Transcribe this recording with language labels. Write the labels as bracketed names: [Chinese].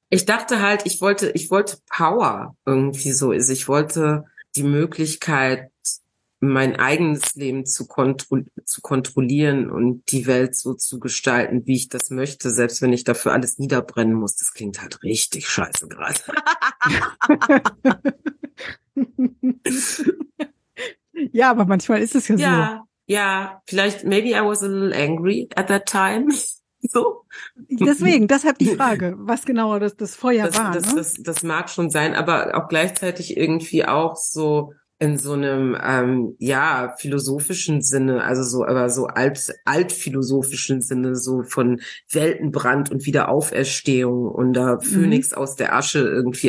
[German] Ich dachte halt, ich wollte Power irgendwie so, ist, ich wollte die Möglichkeit, mein eigenes Leben zu kontrollieren und die Welt so zu gestalten, wie ich das möchte, selbst wenn ich dafür alles niederbrennen muss. Das klingt halt richtig scheiße gerade. Ja, aber manchmal ist es ja, ja so. Ja, ja, vielleicht, [English] maybe I was a little angry at that time. [German] So. Deswegen, deshalb die Frage, was genau das Feuer war. Das, ne? das mag schon sein, aber auch gleichzeitig irgendwie auch so in so einem philosophischen Sinne, also so, aber so altphilosophischen Sinne, so von Weltenbrand und Wiederauferstehung und der Phönix aus der Asche irgendwie.